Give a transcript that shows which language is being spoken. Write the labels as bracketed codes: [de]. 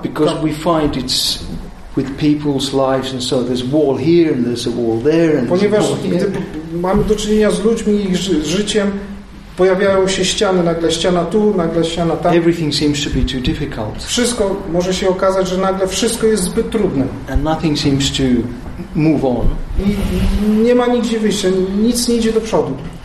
[en] because we find it's with people's lives and so there's a wall here and there's a wall there and [pl] ponieważ [en] there's a wall here. [pl] Mamy do czynienia z ludźmi i ich życiem, pojawiają się ściany, nagle ściana tu, nagle ściana tam. [en] Everything seems to be too difficult. [pl] Wszystko może się okazać, że nagle wszystko jest zbyt trudne. [en] And nothing seems to move on. [pl] I nie ma nigdzie wyjścia, nic nie idzie do przodu.